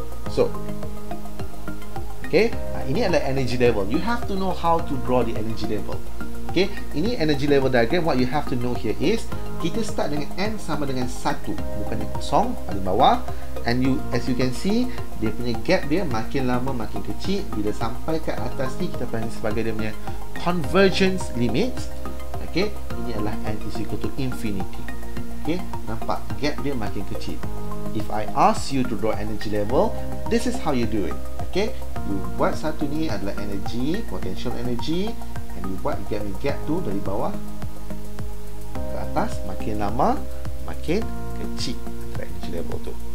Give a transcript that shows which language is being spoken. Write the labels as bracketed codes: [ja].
[en] So, okay, [ms] ini adalah [en] energy level. You have to know how to draw the energy level. Okay, ini energy level diagram. What you have to know here is [ms] kita start dengan N sama dengan 1, bukan kosong paling bawah. [en] And you, as you can see, [ms] dia punya gap dia makin lama makin kecil. Bila sampai ke atas ni, kita panggil sebagai dia punya convergence limit. [en] Okay, ini adalah N is equal to infinity. [ms] Okay, nampak gap dia makin kecil. [en] If I ask you to draw energy level, this is how you do it. [ms] Okay, you buat satu ni adalah energy, potential energy. And you buat gap tu dari bawah ke atas, makin lama makin kecil antara energy level tu.